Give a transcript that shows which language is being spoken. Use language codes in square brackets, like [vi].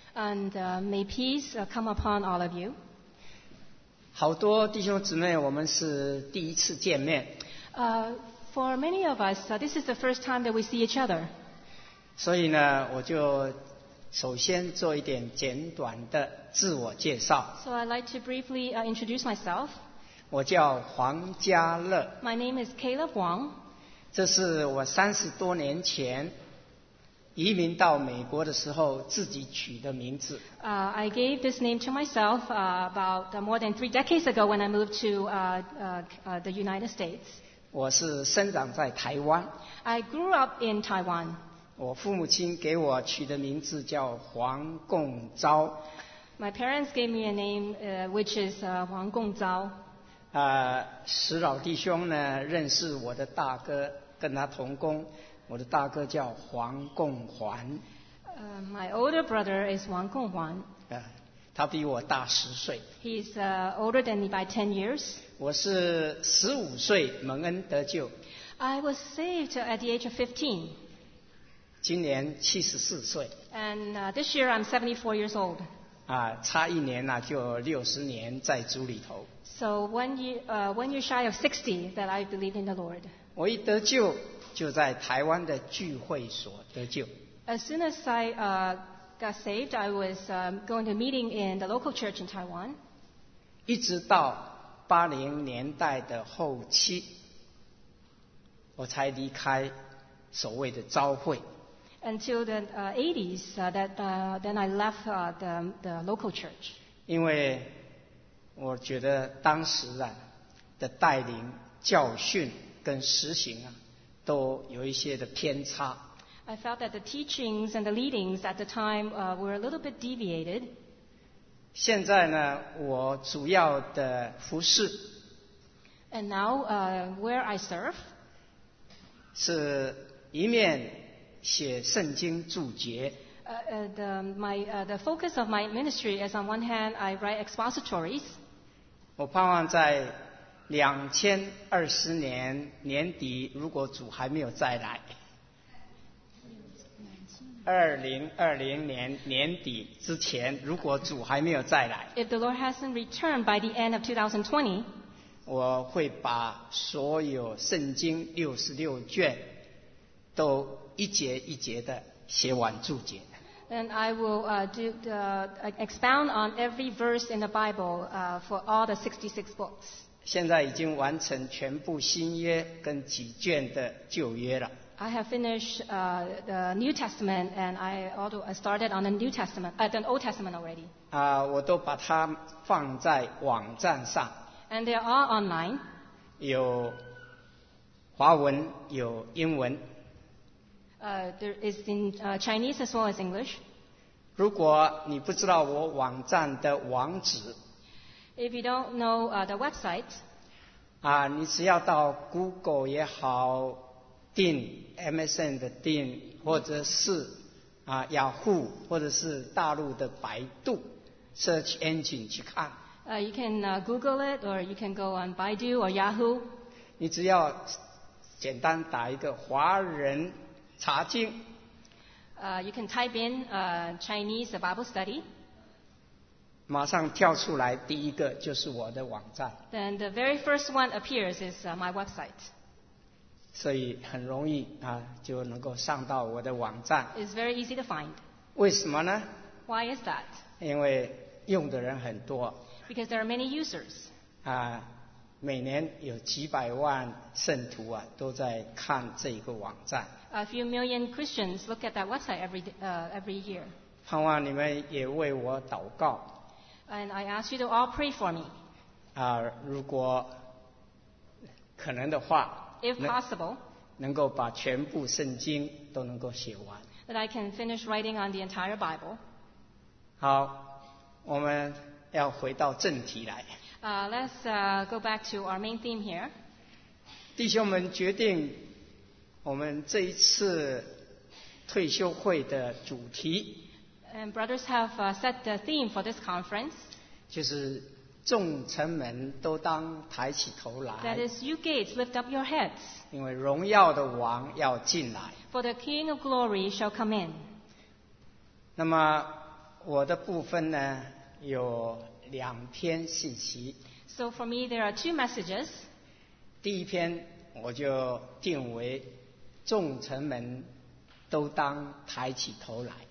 [en] And may peace come upon all of you. [zh] 好多弟兄姊妹，我们是第一次见面。 [en] For many of us, this is the first time that we see each other. [zh] 所以呢，我就首先做一点简短的自我介绍。 [en] So I'd like to briefly introduce myself. [zh] 我叫黄家乐。 [en] My name is Caleb Wong. [zh] 这是我30多年前移民到美国的时候自己取的名字。 [en] I gave this name to myself about more than 3 decades ago when I moved to the United States. [zh] 我是生长在台湾。 [en] I grew up in Taiwan. [zh] 我父母亲给我取的名字叫黄共昭。 [en] My parents gave me a name, which is 黄共昭。 [zh] 史老弟兄呢，认识我的大哥，跟他同工。我的大哥叫黄共环。 [en] My older brother is 黄共环。 [zh] 他比我大10岁。 [en] He's older than me by 10 years. [zh] 我是15岁蒙恩得救。 [en] I was saved at the age of 15. [zh] 今年74岁。 [en] And this year I'm 74 years old. [zh] 差一年呢、就60年在主里头。 [en] So when you're shy of 60, that I believe in the Lord. [zh] 我一得救就在台湾的聚会所得救。 [en] As soon as I got saved, I was going to a meeting in the local church in Taiwan. [zh] 一直到80年代的后期，我才离开所谓的召会。 [en] Until the 80s, then I left the local church. [zh] 因为我觉得当时啊的带领、教训跟实行啊都有一些的偏差。 [en] I felt that the teachings and the leadings at the time were a little bit deviated. [zh] 现在呢，我主要的服事。 [en] And now, where I serve? [zh] 是一面。写圣经注解。 [en] The focus of my ministry is on one hand I write expositories. [zh] 我盼望在2020年年底，如果主还没有再来，2020年年底之前，如果主还没有再来 [en] ，If the Lord hasn't returned by the end of 2020, [zh] 我会把所有圣经66卷都。一节一节的写完注解。 [en] And I will expound on every verse in the Bible for all the 66 books. [zh] 现在已经完成全部新约跟几卷的旧约了。 [en] I have finished the New Testament and I also started on the New Testament, the Old Testament already. [zh] 我都把它放在网站上。 [en] And they are online. [zh] 有华文，有英文。 [en] There is in Chinese as well as English. [zh] 如果你不知道我网站的网址 [en] ，If you don't know the website, [zh] 你只要到 Google 也好 ，Dean MSN 的 Dean， 或者是Yahoo， 或者是大陆的百度 [en] search engine [zh] 去看。 [en] You can Google it, or you can go on Baidu or Yahoo. [zh] 你只要简单打一个华人。查经。 [en] You can type in Chinese Bible study. [zh] 马上跳出来第一个就是我的网站。 [en] Then the very first one appears is my website. [zh] 所以很容易就能够上到我的网站。 [en] It's very easy to find. [zh] 为什么呢 [en] ？Why is that? [zh] 因为用的人很多。 [en] Because there are many users. [zh] 每年有几百万圣徒啊都在看这个网站。 [en] A few million Christians look at that website every year. [zh] 盼望你们也为我祷告。 [en] And I ask you to all pray for me. [zh] 如果可能的话 [en] ，If possible, [zh] 能够把全部圣经都能够写完。 [en] That I can finish writing on the entire Bible. [zh] 好，我们要回到正题来。 [en] Let's go back to our main theme here. [zh] 弟兄们决定。我们这一次退休会的主题 [en] And brothers have set the theme for this conference [zh] 就是众臣们都当抬起头来。 [en] That is, you gates, lift up your heads. [zh] 因为荣耀的王要进来。 [en] For the King of Glory shall come in. [zh] 那么我的部分呢，有两篇信息。 [en] So for me, there are two messages. [zh] 第一篇我就定为众臣们都当抬起头来。